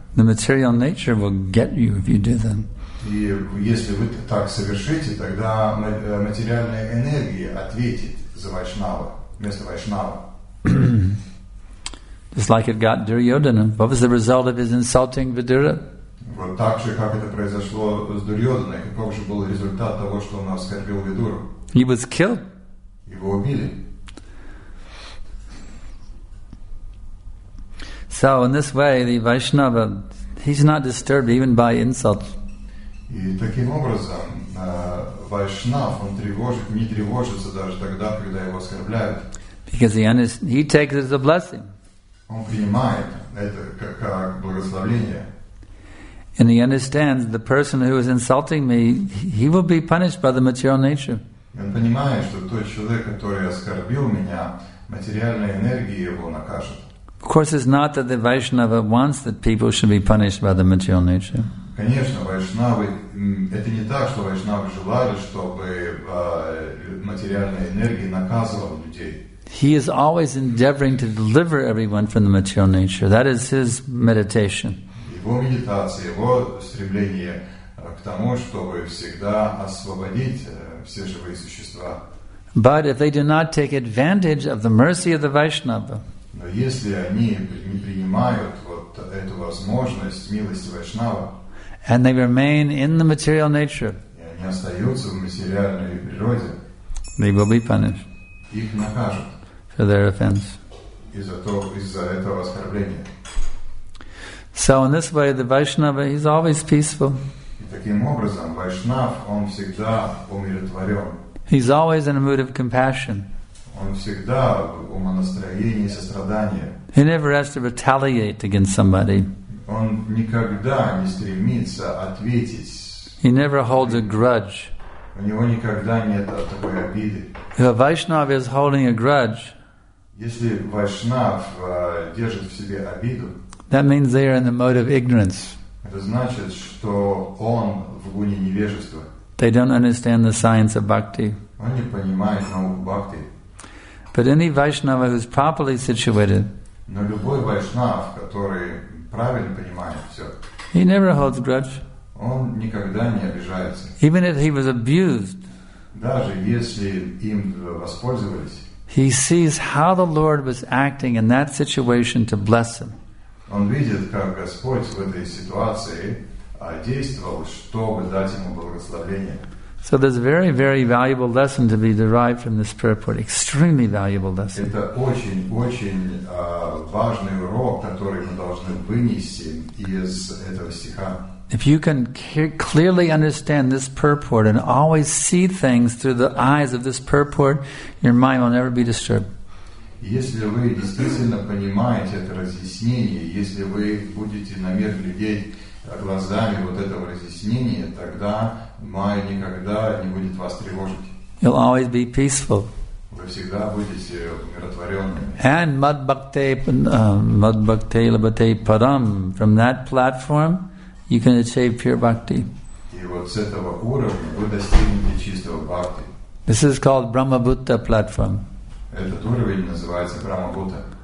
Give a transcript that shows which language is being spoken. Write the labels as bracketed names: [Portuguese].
[English] The material nature will get you if you do that. [Russian] И если вы так совершите, тогда материальная энергия ответит за Вайшнава, вместо Вайшнава. [English] Just like it got Duryodhana. What was the result of his insulting Vidura? [Russian] Вот так же, как это произошло с Дурьодханой, каков же был результат того, что он оскорбил Видуру? [English] He was killed. [Russian] Его убили. [English] So in this way, the Vaishnava, he's not disturbed even by insults. [Russian] И таким образом, Вайшнав, он не тревожится даже тогда, когда его оскорбляют. [English] Because he takes it as a blessing. [Russian] Он принимает это как благословение. [English] And he understands the person who is insulting me, he will be punished by the material nature. [Russian] И он понимает, что тот человек, который оскорбил меня, материальная энергия его накажет. [English] Of course, it's not that the Vaishnava wants that people should be punished by the material nature. [Russian] Конечно, Вайшнавы, это не так, что Вайшнавы желали, чтобы материальная энергия наказывала людей. [English] He is always endeavoring to deliver everyone from the material nature. That is his meditation. [Russian] Его медитация, его стремление к тому, чтобы всегда освободить все живые существа. [English] But if they do not take advantage of the mercy of the Vaishnava, [Russian] но если они не принимают вот эту возможность милости Вайшнава, [English] and they remain in the material nature, [Russian] и они остаются в материальной природе, [English] they will be punished. [Russian] Их накажут [English] for their offense. [Russian] Из-за этого оскорбления. [English] So in this way, the Vaishnava is always peaceful. [Russian] И таким образом, Вайшнав, он всегда умиротворен. [English] He's always in a mood of compassion. [Russian] Он всегда в умонастроении сострадания. [English] He never has to retaliate against somebody. [Russian] Он никогда не стремится ответить. [English] He never holds a grudge. [Russian] У него никогда нет такой обиды. [English] If a Vaishnava is holding a grudge, [Russian] если Вайшнав держит в себе обиду, [English] that means they are in the mode of ignorance. [Russian] Это значит, что он в гуне невежества. [English] They don't understand the science of bhakti. [Russian] Он не понимает науку бхакти. [English] But any Vaishnava who is properly situated, [Russian] но любой Вайшнав, который правильно понимает все, [English] he never holds grudge. [Russian] Он никогда не обижается. [English] Even if he was abused, [Russian] даже если им воспользовались. [English] He sees how the Lord was acting in that situation to bless him. [Russian] Он видит, как Господь в этой ситуации действовал, чтобы дать ему благословение. [English] So there's a very, very valuable lesson to be derived from this prayer point. Extremely valuable lesson. [Russian] Это очень-очень важный урок, который мы должны вынести из этого стиха. [English] If you can clearly understand this purport and always see things through the eyes of this purport, your mind will never be disturbed. [Russian] Если вы действительно понимаете это разъяснение, если вы будете на мир глядеть глазами вот этого разъяснения, тогда мая никогда не будет вас тревожить. [English] You'll always be peaceful. [Russian] Вы всегда будете умиротворенными. [English] And [Sanskrit] madbhakte labhate param, [English] from that platform, you can achieve pure bhakti. [Russian] И вот с этого уровня вы достигнете чистого бхакти. [English] This is called Brahma-Buddha platform. [Russian] Этот уровень называется Брахма-Будда.